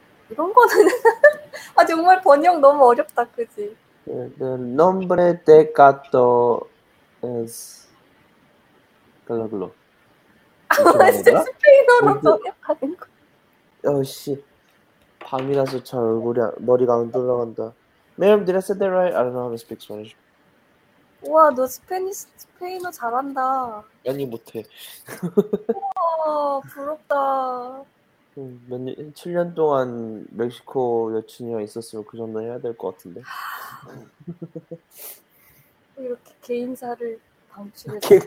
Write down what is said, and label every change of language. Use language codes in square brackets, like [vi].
[ko] 이런 거는 아 정말 번역 너무 어렵다, 그지? [es] El nombre de gato es glóglo. [ko] 이거 아닌가? 완전 스페인어로 번역하는 거. 역시 밤이라서 잘 머리가 안 돌아간다. [en] Ma'am, did I say that right? I don't know how to speak Spanish. [ko] 와, 너 스페인어 잘한다. 와, 아니, 못해. 부럽다. 7년 동안 멕시코 여친이랑 있었으면 그 정도 해야 될것 같은데. 이렇게 개인사를 방출해서.